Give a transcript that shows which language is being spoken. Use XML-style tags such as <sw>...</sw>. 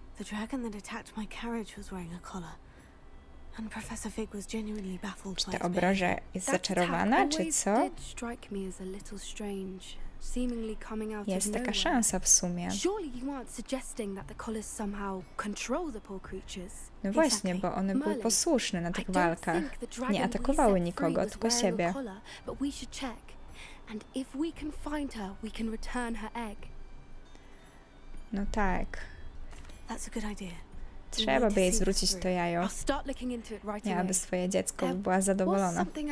<en>The dragon that attacked my carriage was wearing a collar. And Professor Fig was genuinely baffled by its behavior. That attack always did strike me as a little strange. Seemingly coming out</en> <pl>jest</pl> <en>of</en> <pl>taka szansa w sumie.</pl> <en>Surely you aren't suggesting that the collars somehow control the poor creatures.</en> <pl>No właśnie, bo one były posłuszne na tych walkach. Nie atakowały nikogo, tylko siebie.</pl> <en>But we should check. And if we can find her, we can return her egg.</en> <pl>No tak.</pl> <en>That's a good idea.</en> <pl>Trzeba by jej zwrócić to jajo. Nie, aby swoje dziecko była zadowolona.</pl>